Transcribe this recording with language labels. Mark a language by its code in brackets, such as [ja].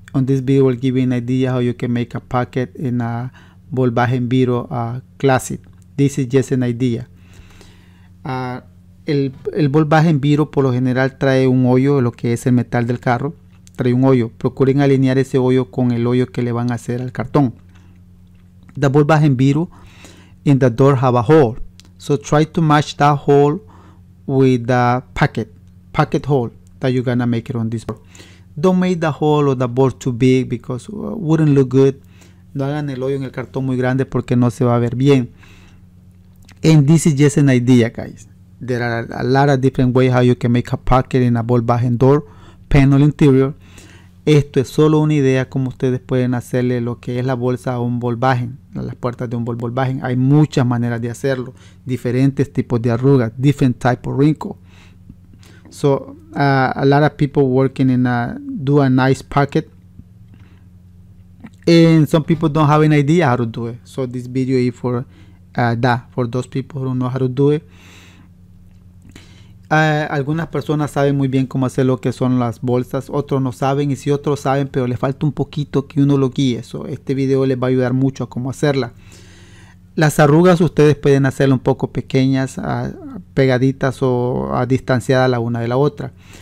[en] On this video, we'll give you an idea how you can make a pocket in a volvaje en vidrio classic. [es] This is just an idea. El volvaje en vidrio por lo general trae un hoyo, lo que es el metal del carro. Trae un hoyo. Procuren alinear ese hoyo con el hoyo que le van a hacer al cartón. [en] The volvaje en vidrio in the door have a hole, so try to match that hole with the pocket hole that you're gonna make it on this board. Don't make the hole or the board too big because it wouldn't look good. [es] No hagan el hoyo en el cartón muy grande porque no se va a ver bien. [en] And this is just an idea, guys. There are a lot of different ways how you can make a pocket in a ball bajen door panel interior. [es] Esto es solo una idea como ustedes pueden hacerle lo que es la bolsa a un volvagen, a las puertas de un volvagen. Hay muchas maneras de hacerlo, diferentes tipos de arrugas, different type of wrinkle. [en] So, a lot of people working in a, do a nice pocket. And some people don't have an idea how to do it. So, this video is for for those people who don't know how to do it. [es] Algunas personas saben muy bien cómo hacer lo que son las bolsas, otros no saben, y si otros saben, pero les falta un poquito que uno lo guíe. So, este video les va a ayudar mucho a cómo hacerla. Las arrugas ustedes pueden hacerlas un poco pequeñas, pegaditas o distanciadas la una de la otra.